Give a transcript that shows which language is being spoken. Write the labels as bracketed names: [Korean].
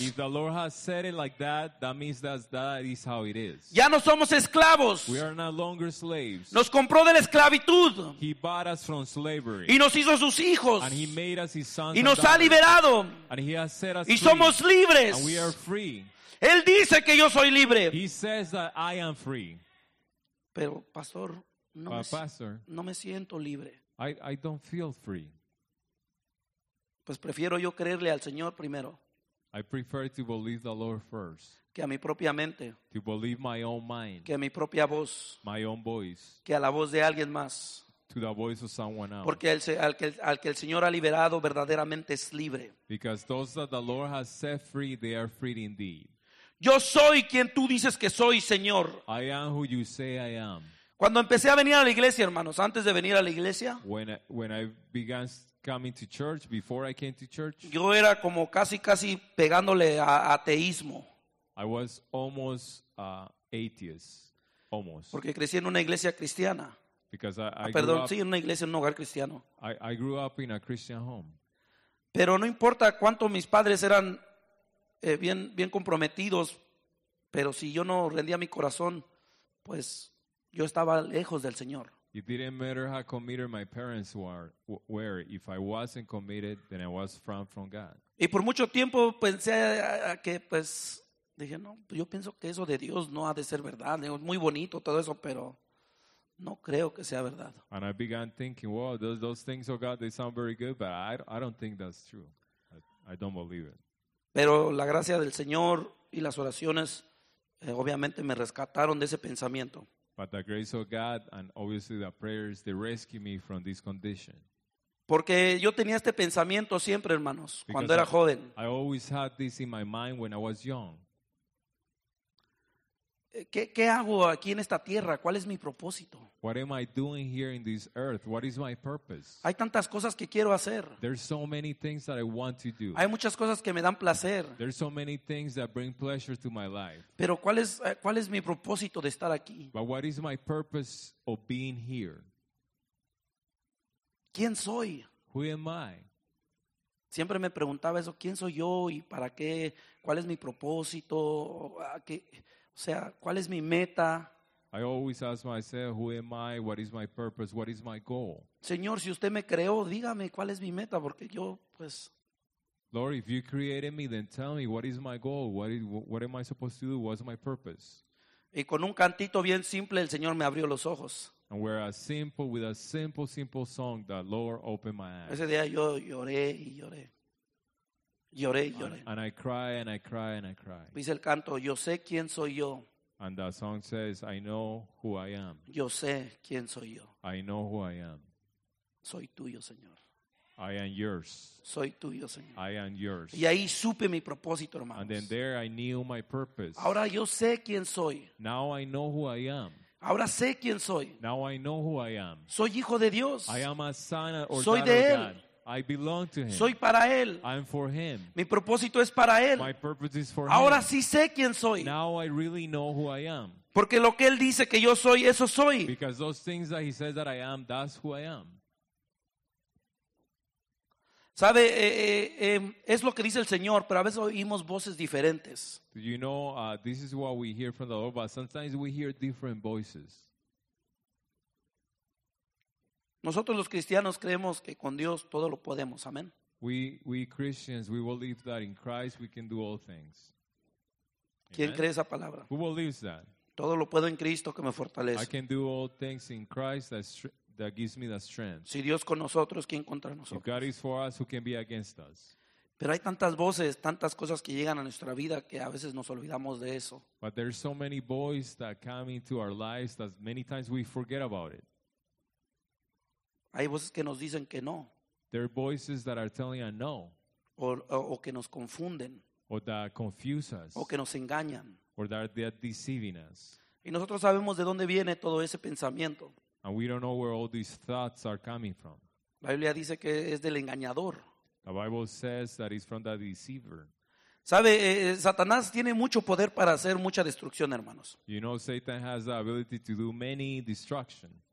[English] If the Lord has said it like that, that means that is how it is. [Spanish] Ya no somos esclavos. [English] We are no longer slaves. [Spanish] Nos compró de la esclavitud. [English] He bought us from slavery. [Spanish] Y nos hizo sus hijos. [English] And he made us his sons. [Spanish] Y nos ha liberado. [English] And he has set us [Spanish] free. Y somos libres. [English] And we are free. [Spanish] Él dice que yo soy libre. [English] He says that I am free. [Spanish] Pero pastor, no me siento libre. [English] I don't feel free. [Spanish] Pues prefiero yo creerle al Señor primero. [English] I prefer to believe the Lord first. [Spanish] Que a mi propia mente. [English] To believe my own mind. [Spanish] Que a mi propia voz. [English] My own voice. [Spanish] Que a la voz de alguien más. [English] To the voice of someone else. [Spanish] Porque al que el Señor ha liberado verdaderamente es libre. [English] Because those that the Lord has set free, they are free indeed. [Spanish] Yo soy quien tú dices que soy, Señor. [English] I am who you say I am. [Spanish] Cuando empecé a venir a la iglesia, hermanos, antes de venir a la iglesia, [English] when I began coming to church, before I came to church, [Spanish] yo era como casi pegándole a ateísmo. [English] I was almost atheist, almost. [Spanish] Porque crecí en una iglesia cristiana. [English] Because [Spanish] en una iglesia, en un hogar cristiano. [English] I grew up in a Christian home. [Spanish] Pero no importa cuánto mis padres eran bien comprometidos, pero si yo no rendía mi corazón, pues yo estaba lejos del Señor. [English] It didn't matter how committed my parents were. If I wasn't committed, then I was from God. [Spanish] Y por mucho tiempo pensé que, pues, dije, no, yo pienso que eso de Dios no ha de ser verdad. Es muy bonito todo eso, pero no creo que sea verdad. [English] And I began thinking, well, those things of God, they sound very good, but I don't think that's true. I don't believe it. [Spanish] Pero la gracia del Señor y las oraciones, obviamente, me rescataron de ese pensamiento. [English] But the grace of God and obviously the prayers, they rescue me from this condition. [Spanish] Porque yo tenía este pensamiento siempre, hermanos, cuando era joven. [English] I always had this in my mind when I was young. [Spanish] ¿Qué hago aquí en esta tierra? ¿Cuál es mi propósito? [English] What am I doing here in this earth? What is my purpose? [Spanish] Hay tantas cosas que quiero hacer. [English] There's so many things that I want to do. [Spanish] Hay muchas cosas que me dan placer. [English] There's so many things that bring pleasure to my life. [Spanish] Pero ¿cuál es mi propósito de estar aquí? [English] But what is my purpose of being here? [Spanish] ¿Quién soy? [English] Who am I? [Spanish] Siempre me preguntaba eso, ¿quién soy yo y para qué? ¿Cuál es mi propósito? O sea, ¿cuál es mi meta? [English] I always ask myself, who am I? What is my purpose? What is my goal? [Spanish] Señor, si usted me creó, dígame cuál es mi meta, porque yo, pues. [English] Lord, if you created me, then tell me, what is my goal? What am I supposed to do? What's my purpose? [Spanish] Y con un cantito bien simple, el Señor me abrió los ojos. [English] And with a simple song, the Lord opened my eyes. [Spanish] Ese día yo lloré y lloré. Lloré, lloré. [English] And I cry and I cry and I cry. [Spanish] Dice el canto, yo sé quién soy yo. [English] And the song says, I know who I am. [Spanish] Yo sé quién soy yo. [English] I know who I am. [Spanish] Soy tuyo, Señor. [English] I am yours. [Spanish] Soy tuyo, Señor. [English] I am yours. [Spanish] Y ahí supe mi propósito, hermanos. [English] And then there I knew my purpose. [Spanish] Ahora yo sé quién soy. [English] Now I know who I am. [Spanish] Ahora sé quién soy. [English] Now I know who I am. [Spanish] Soy hijo de Dios. [English] I am a son or [Spanish] soy [English] daughter [Spanish] de él. [English] Of God. I belong to him. [Spanish] Soy para él. [English] I'm for him. [Spanish] Mi propósito es para él. [English] My purpose is for [Spanish] Ahora [English] him. [Spanish] Sí sé quién soy. [English] Now I really know who I am. [Spanish] Porque lo que él dice que yo soy, eso soy. [English] Because those things that he says that I am, that's who I am. [Spanish] Sabe, es lo que dice el Señor, pero a veces oímos voces diferentes. [English] You know, this is what we hear from the Lord, but sometimes we hear different voices. [Spanish] Nosotros los cristianos creemos que con Dios todo lo podemos. Amén. [English] We Christians, we believe that in Christ we can do all things. [Spanish] ¿Quién cree esa palabra? [English] Who believes that? [Spanish] Todo lo puedo en Cristo que me fortalece. [English] I can do all things in Christ that gives me the strength. [Spanish] Si Dios con nosotros, ¿quién contra nosotros? [English] If God is for us, who can be against us? [Spanish] Pero hay tantas voces, tantas cosas que llegan a nuestra vida que a veces nos olvidamos de eso. [English] But there's so many voices that come into our lives that many times we forget about it. [Spanish] Hay voces que nos dicen que no. [English] There are voices that are telling us no. [Spanish] O que nos confunden. [English] Or that confuse us. [Spanish] O que nos engañan. [English] Or that they are deceiving us. [Spanish] Y nosotros sabemos de dónde viene todo ese pensamiento. [English] And we don't know where all these thoughts are coming from. [Spanish] La Biblia dice que es del engañador. [English] The Bible says that it's from the deceiver. [Spanish] Sabe, Satanás tiene mucho poder para hacer mucha destrucción, hermanos. [English] You know, Satan has the ability to do many destruction.